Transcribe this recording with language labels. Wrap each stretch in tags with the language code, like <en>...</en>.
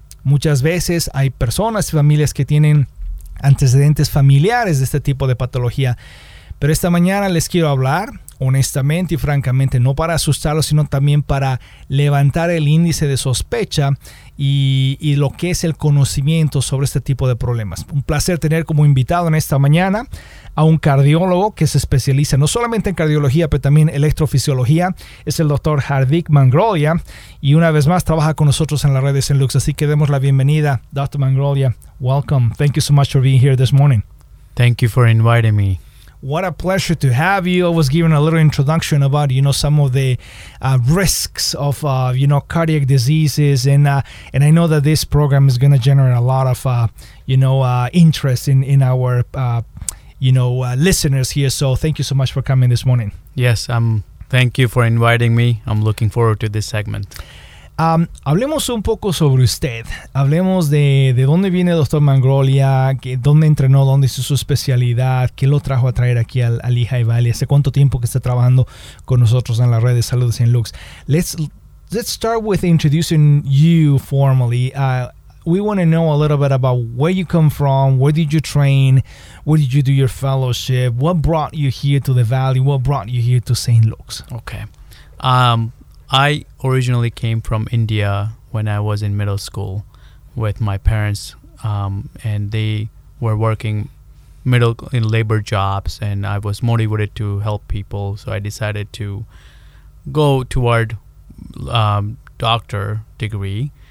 <es>Muchas veces hay personas y familias que tienen antecedentes familiares de este tipo de patología, pero esta mañana les quiero hablar honestamente y francamente, no para asustarlos, sino también para levantar el índice de sospecha y lo que es el conocimiento sobre este tipo de problemas. Un placer tener como invitado en esta mañana a un cardiólogo que se especializa no solamente en cardiología, pero también electrofisiología. Es el doctor Hardik Mangrolia y una vez más trabaja con nosotros en la red de St. Luke's. Así que demos la bienvenida, Dr. Mangrolia.</es> <en>Welcome. Thank you so much for being here this morning. Thank you for inviting me. What a pleasure to have you. I was giving a little introduction about, you know, some of the risks of, you know, cardiac diseases. And I know that this program is going to generate a lot of, interest in our, listeners here. So thank you so much for coming this morning. Yes, thank you for inviting me. I'm looking forward to this segment.</en> <es>Hablemos un poco sobre usted. Hablemos de dónde viene Dr. Mangrolia, dónde entrenó, dónde hizo su especialidad, qué lo trajo a traer aquí al Lehigh Valley, hace cuánto tiempo que está trabajando con nosotros en la red de salud de St.</es> <en>Luke's. Let's start with introducing you formally. We want to know a little bit about where you come from, where did you train, where did you do your fellowship, what brought you here to the Valley, what brought you here to St. Luke's. Okay. I originally came from India when I was in middle school with my parents, and they were working middle in labor jobs, and I was motivated to help people, so I decided to go toward doctor degree.</en>